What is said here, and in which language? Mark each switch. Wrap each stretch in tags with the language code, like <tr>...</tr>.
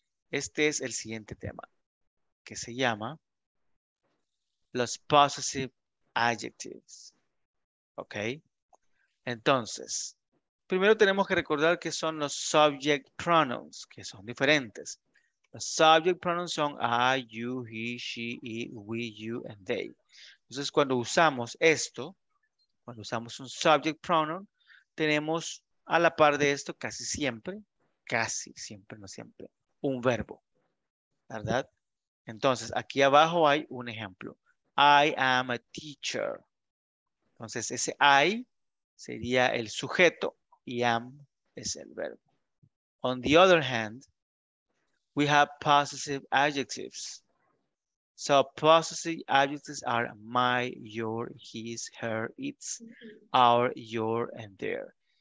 <es>Este es el siguiente tema, que se llama los possessive adjectives. ¿Ok? Entonces, primero tenemos que recordar que son los subject pronouns, que son diferentes. Los subject pronouns son I, you, he, she, it, we, you, and they. Entonces, cuando usamos esto, cuando usamos un subject pronoun, tenemos a la par de esto, casi siempre, no siempre, un verbo, ¿verdad? Entonces, aquí abajo hay un ejemplo.</es> <en>I am a teacher.</en> <es>Entonces, ese I sería el sujeto y am es el verbo.</es> <en>On the other hand, we have possessive adjectives. So, possessive adjectives are my, your, his, her, its, our, your, and their.</en>